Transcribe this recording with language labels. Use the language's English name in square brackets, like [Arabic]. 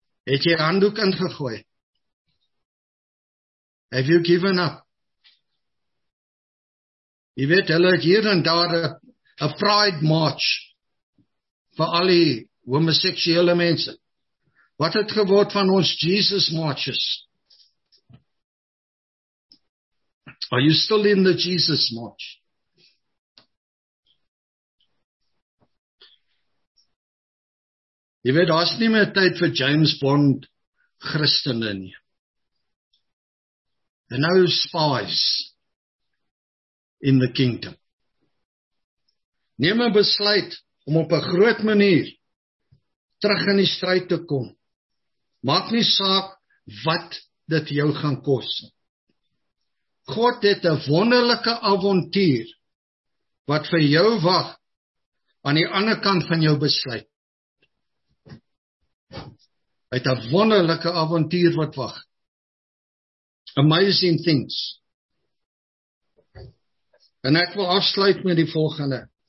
[Afrikaans] Het jy handdoek ingegooi? [English] Have you given up? [Afrikaans] Jy weet, hulle het hier en daar [English] a pride march [Afrikaans] vir al die homoseksuele mense. Wat het geword van ons Jesus marches? [English] Are you still in the Jesus march? [Afrikaans] Jy weet, daar is nie meer tyd vir James Bond Christene nie. [English] They're now spies in the kingdom. [Afrikaans] Neem 'n besluit om op 'n groot manier terug in die stryd te kom. Maak nie saak wat dit jou gaan kos. God het 'n wonderlike avontuur wat vir jou wag aan die ander kant van jou besluit. Hy het 'n wonderlike avontuur wat wag. [English] Amazing things. [Afrikaans] En ek wil afsluit met die volgende.